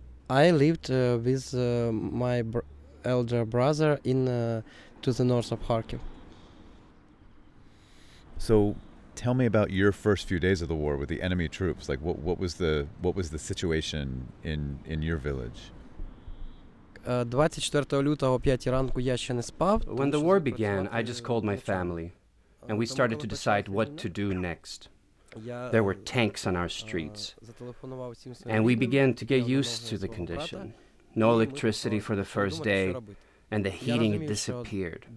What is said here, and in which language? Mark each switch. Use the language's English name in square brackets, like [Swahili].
[English] I lived with my elder brother to the north of Kharkiv. So tell me about your first few days of the war with the enemy troops. Like what was the situation in your village? [Ukrainian] 24 лютого, 5 ранку, я ще не спав. [English] When the war began, I just called my family, and we started to decide what to do next. There were tanks on our streets, and we began to get used to the condition. No electricity for the first day, and the heating had disappeared.